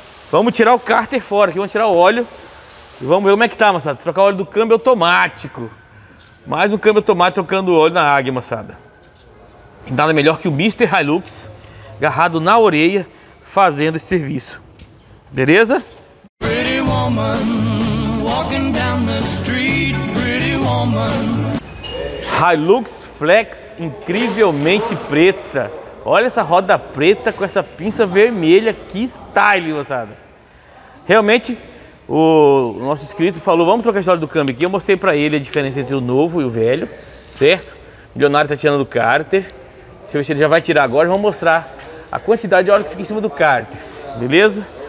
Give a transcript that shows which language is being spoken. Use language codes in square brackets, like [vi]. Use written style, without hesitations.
[pt] Vamos tirar o cárter fora aqui. Vamos tirar o óleo. E vamos ver como é que tá, moçada. Trocar o óleo do câmbio automático. Mais um câmbio automático trocando o óleo na águia, moçada. Nada melhor que o Mr. Hilux, agarrado na orelha, fazendo esse serviço. Beleza? [en] Pretty woman, walking down the street, pretty woman. [pt] Hilux Flex, incrivelmente preta. Olha essa roda preta com essa pinça vermelha. Que style, moçada. Realmente... O nosso inscrito falou, vamos trocar a história do câmbio aqui. Eu mostrei pra ele a diferença entre o novo e o velho, certo? O milionário tá tirando o cárter. Deixa eu ver se ele já vai tirar agora. Vamos mostrar a quantidade de óleo que fica em cima do cárter. Beleza?